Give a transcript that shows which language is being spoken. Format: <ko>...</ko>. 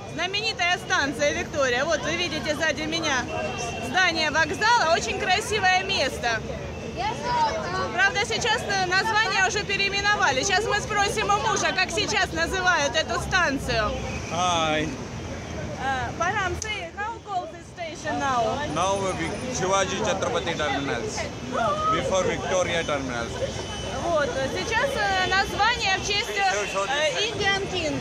<ru>Знаменитая станция Виктория. Вот вы видите сзади меня здание вокзала. Очень красивое место. Правда, сейчас название уже переименовали. Сейчас мы спросим у мужа, как сейчас называют эту станцию.</ru> <en>Hi. Param, say, how called this station now? Now we are Shivaji Chhatrapati Terminals. Before Victoria Terminals.</en> <ru>Вот, сейчас название в честь</ru> <en>Indian King.</en>